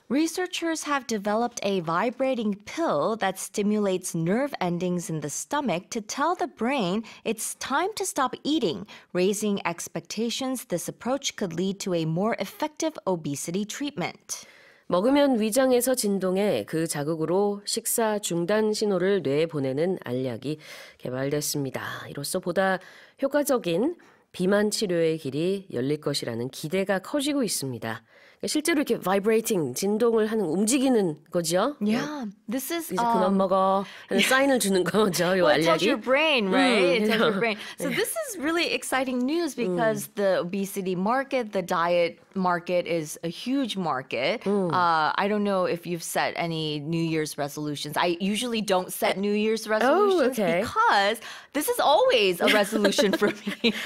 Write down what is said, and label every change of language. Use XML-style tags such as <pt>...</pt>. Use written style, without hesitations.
<en>Researchers have developed a vibrating pill that stimulates nerve endings in the stomach to tell the brain it's time to stop eating, raising expectations this approach could lead to a more effective obesity treatment.</en> <ko>먹으면 위장에서 진동해 그 자극으로 식사 중단 신호를 뇌에 보내는 알약이 개발됐습니다. 이로써 보다 효과적인 비만 치료의 길이 열릴 것이라는 기대가 커지고 있습니다. 실제로 이렇게 vibrating, 진동을 하는, 움직이는 거죠?</ko> <en>Yeah, this is...</en> <ko>이제 그만 먹어 하는 사인을 주는 거죠, 이</ko> <en>well,</en> <ko>알약이.</ko> <en>Well, it tells your brain, right? It tells your brain. So this is really exciting news because the obesity market, the diet market is a huge market. I don't know if you've set any New Year's resolutions. I usually don't set New Year's resolutions because this is always a resolution for me.</en>